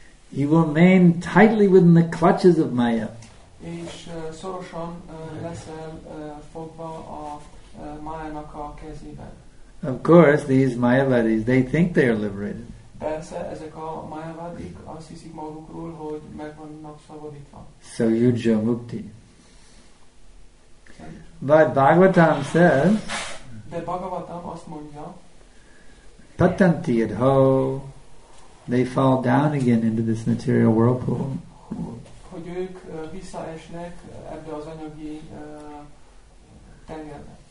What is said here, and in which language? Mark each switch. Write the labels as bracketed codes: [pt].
[en] You will remain tightly within the clutches of Maya. [hu] És szorosan leszel fogva a Maya-nak a kezében. [en] Of course, these Mayavadis, they think they are liberated. [hu] Persze, ezek a Mayavadik azt hiszik magukról, hogy meg vannak szabadítva. [en] So Yujja Mukti. But Bhagavatam says, [hu] de Bhagavatam azt mondja, [sa] Patanti adho, [en] they fall down again into this material whirlpool. [hu] Hogy ők visszaesnek ebbe az anyagi tengerbe.